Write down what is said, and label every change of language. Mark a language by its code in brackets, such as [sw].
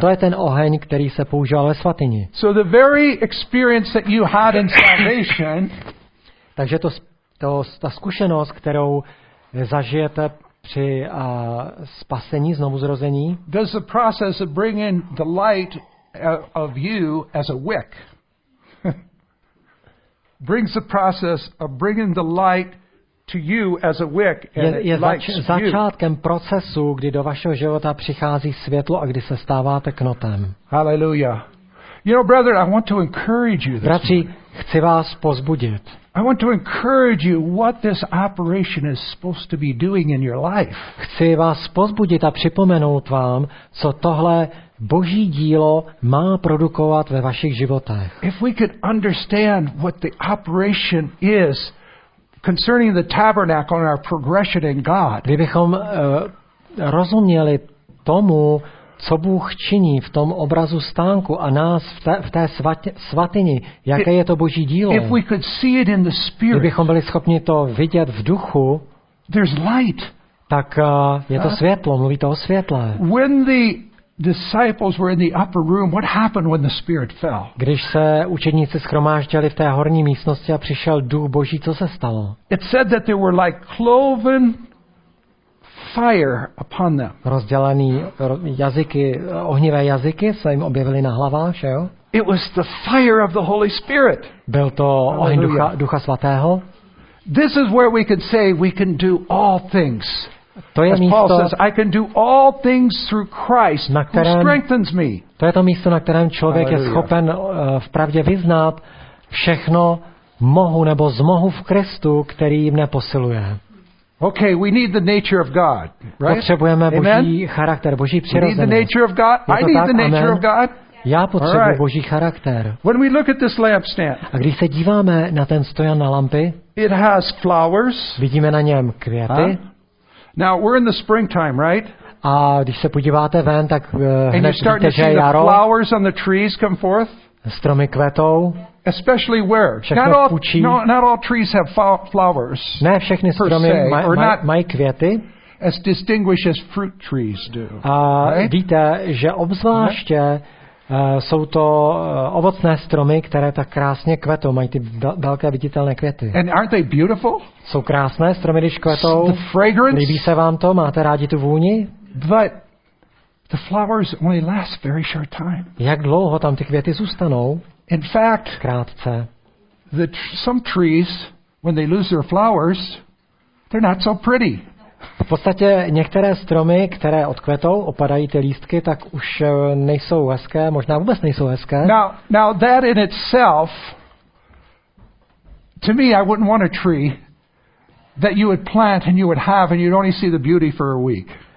[cs] To je ten oheň, který se používal ve svatyni. [en] So the very experience that you had in salvation. [cs] Takže ta zkušenost, kterou zažijete při spasení, znovuzrození. [en] Does the process of bringing the light of you as a wick brings the process of bringing the light to you as a wick and [cs] je začátkem procesu, kdy do vašeho života přichází světlo a kdy se stáváte knotem. Hallelujah. [en] You know, brother, I want to encourage you this morning. [cs] Bratři, chci vás pozbudit. [en] I want to encourage you what this operation is supposed to be doing in your life. [cs] Chci vás pozbudit a připomenout vám, co tohle Boží dílo má produkovat ve vašich životech. [en] If we could understand what the operation is concerning the tabernacle and our progression in God. [cs] Kdybychom rozuměli tomu, co Bůh činí v tom obrazu stánku a nás v té svatyni, jaké je to Boží dílo. [en] If we could see it in the spirit, [cs] kdybychom byli schopni to vidět v duchu, [en] there's light. [cs] Tak je to světlo, mluví to o světle. [en] When the disciples were in the upper room, what happened when the spirit fell? [cs] Když se učedníci shromáždili v té horní místnosti a přišel duch Boží, co se stalo? [en] It said that they were like cloven fire upon them. [cs] Rozdělený jazyky, ohnivé jazyky se jim objevily na hlavách, že jo? [en] It was the fire of the Holy Spirit. [cs] Byl to oheň Ducha svatého. [en] This is where we can say we can do all things. [cs] To je [en] as [cs] místo, [en] Paul says, I can do all things through Christ, [cs] na kterém, [en] who strengthens me. [cs] To je to místo, na kterém člověk je schopen v pravdě vyznat všechno mohu nebo zmohu v Kristu, který mne posiluje. [en] Okay, we need the nature of God, right? [cs] Potřebujeme Boží charakter, Boží přirozenost. [en] We need the nature of God. I need the nature of God. [cs] Já potřebuji Boží charakter. [en] When we look at this lampstand, [cs] a když se díváme na ten stojan na lampy, [en] it has flowers, [cs] vidíme na něm květy. [en] Now we're in the springtime, right? [cs] A když se podíváte ven, tak hned vidíte, že je jaro. [en] And you start to see the flowers on the trees come forth. [cs] Stromy kvetou. [en] Especially where? Not all trees have flowers. [cs] Ne všechny stromy mají květy. [en] As distinguished as fruit trees do. [cs] A vidíte, že obzvláště jsou to ovocné stromy, které tak krásně kvetou, mají ty velké viditelné květy. [en] And aren't they beautiful? [cs] Jsou krásné stromy, když kvetou. [en] The fragrance? [cs] Líbí se vám to? Máte rádi tu vůni? [en] But the flowers only last very short time. [cs] Jak dlouho tam ty květy zůstanou? [en] In fact, [cs] krátce. [en] Some trees, when they lose their flowers, they're not so pretty. [cs] V podstatě některé stromy, které odkvetou, opadají ty lístky, tak už nejsou hezké, možná vůbec nejsou hezké. [en] Now that in itself, to me, I wouldn't want a tree that you would plant and you would have and you'd only see the beauty for a week.